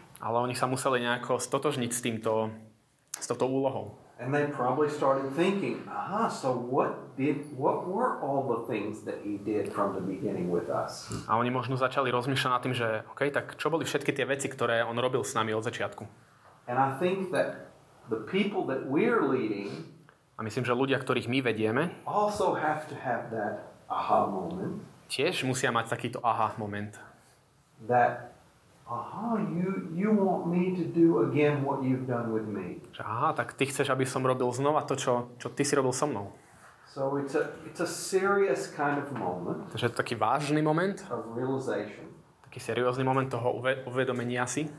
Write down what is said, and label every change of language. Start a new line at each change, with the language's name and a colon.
Slovak: Ale oni sa museli nejako stotožniť s touto úlohou.
English: And they probably started thinking, aha, so what were all the things that he did from the beginning with us?
Slovak: A oni možno začali rozmýšľať nad tým, že okay, tak čo boli všetky tie veci, ktoré on robil s nami od začiatku?
English: And I think that the people that we're leading,
Slovak: a myslím, že ľudia, ktorých my vedieme,
English: also have to have that aha moment.
Slovak: Tiež musia mať takýto aha moment.
English: That aha, you want me to do again what you've done with me.
Slovak: Že, aha, tak ty chceš, aby som robil znova to, čo ty si robil so mnou.
English: So it's a serious kind of moment.
Slovak: Takže je to taký vážny moment.
English: Of realization.
Slovak: Taký seriózny moment toho uvedomenia si.